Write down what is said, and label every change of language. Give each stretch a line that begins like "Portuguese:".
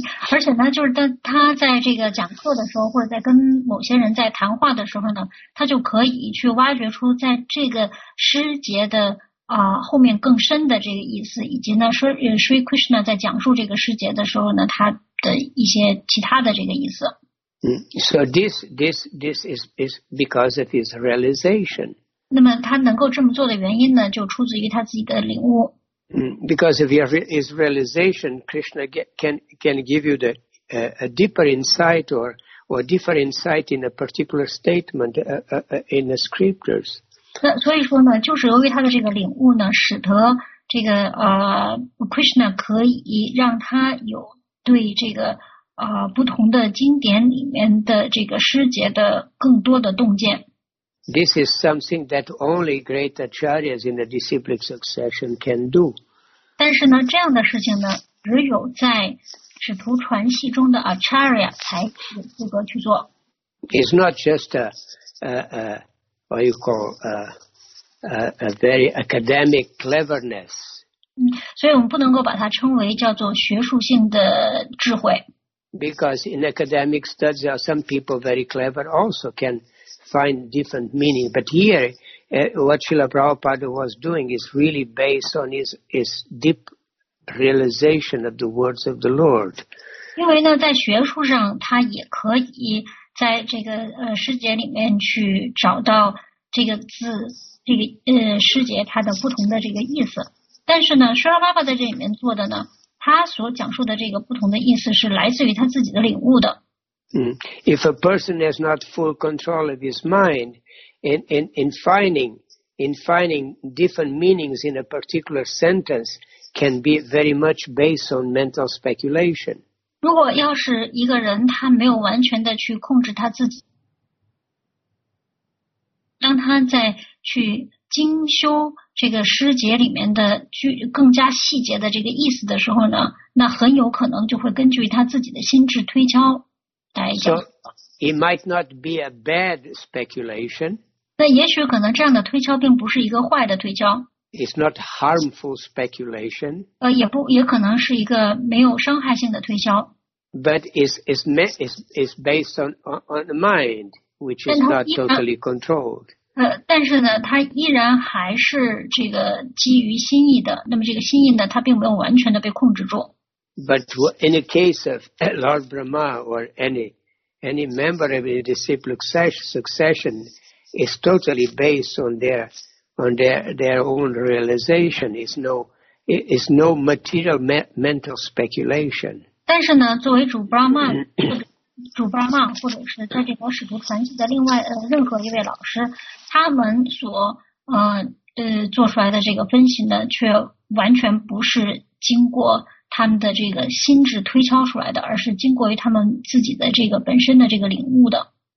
Chinese: 而且呢，就是当他在这个讲课的时候，或者在跟某些人在谈话的时候呢，他就可以去挖掘出在这个诗节的后面更深的这个意思，以及呢，说 Sri Krishna 在讲述这个诗节的时候呢，他的一些其他的这个意思。
English: So this is because of his realization.
Chinese: 那么他能够这么做的原因呢，就出自于他自己的领悟。
English: Because of his realization, Krishna can give you the a deeper insight or deeper insight in a particular statement in the scriptures.
Chinese: 那所以说呢，就是由于他的这个领悟呢，使得这个Krishna 可以让他有对这个不同的经典里面的这个师节的更多的洞见。
English: This is something that only great acharyas in the disciplic succession can do.
Chinese: 但是呢，这样的事情呢，只有在使徒传系中的 acharya 才有资格去做。
English: It's not just what you call a very academic cleverness.
Chinese: 所以我们不能够把它称为叫做学术性的智慧。
English: Because in academic studies, there are some people very clever also can find different meaning. But here, what Srila Prabhupada was doing is really based on his deep realization of the words of the Lord.
Chinese: 因为呢，在学术上，他也可以在这个师节里面去找到这个字，这个师节它的不同的这个意思。但是呢，Srila Prabhupada在这里面做的呢，他所讲述的这个不同的意思是来自于他自己的领悟的。
English: If a person has not full control of his mind in finding different meanings in a particular sentence can be very much based on mental speculation.
Chinese: 如果要是一个人他没有完全的去控制他自己，当他在去精修这个诗节里面的更加细节的这个意思的时候呢，那很有可能就会根据他自己的心智推敲。
English: So it might not be a bad speculation.
Chinese: 那也许可能这样的推敲并不是一个坏的推敲。
English: It's not harmful speculation.
Chinese: 也可能是一个没有伤害性的推敲。
English: But it's based on the mind, which is not totally controlled.
Chinese: 但是呢，它依然还是这个基于心意的。那么这个心意呢，它并没有完全的被控制住。
English: But in the case of Lord Brahma or any member of the disciple succession is totally based on their own realization. It's no material mental speculation.
Chinese: 但是呢，作为主 Brahma 主 Brahma 或者是在这条使徒传记的另外任何一位老师，他们所做出来的这个分析呢，却完全不是经过他们的这个心智推敲出来的，而是经过于他们自己的这个本身的这个领悟的。